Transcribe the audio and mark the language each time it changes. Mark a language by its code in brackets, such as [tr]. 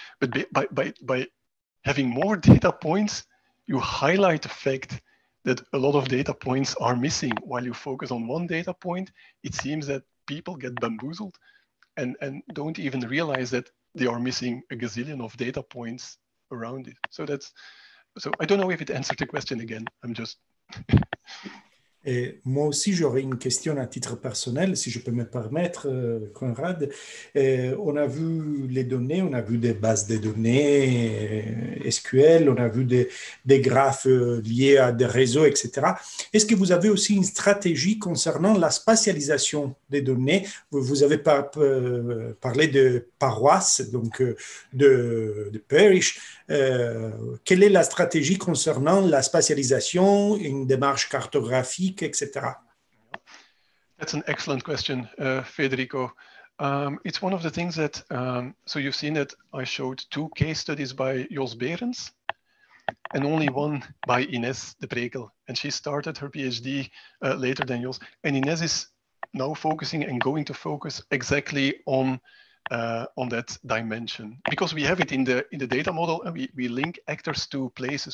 [en] But by having more data points, you highlight the fact that a lot of data points are missing. While you focus on one data point, it seems that people get bamboozled and don't even realize that they are missing a gazillion of data points around it. So I don't know if it answered the question again. I'm just... [fr] Et moi aussi, j'aurais une question à titre personnel, si je peux me permettre, Koenraad. On a vu les données, on a vu des bases de données SQL, on a vu des graphes liés à des réseaux, etc. Est-ce que vous avez aussi une stratégie concernant la spatialisation des données? Vous avez parlé de paroisse, donc de parish. Quelle est la stratégie concernant la spatialisation, une démarche cartographique, etc.? [en] That's an excellent question, Federico. It's one of the things that, so you've seen that I showed two case studies by Jos Behrens and only one by Ines de Prekel. And she started her PhD later than Jos. And Ines is now focusing and going to focus exactly on that dimension, because we have it in the data model, and we link actors to places.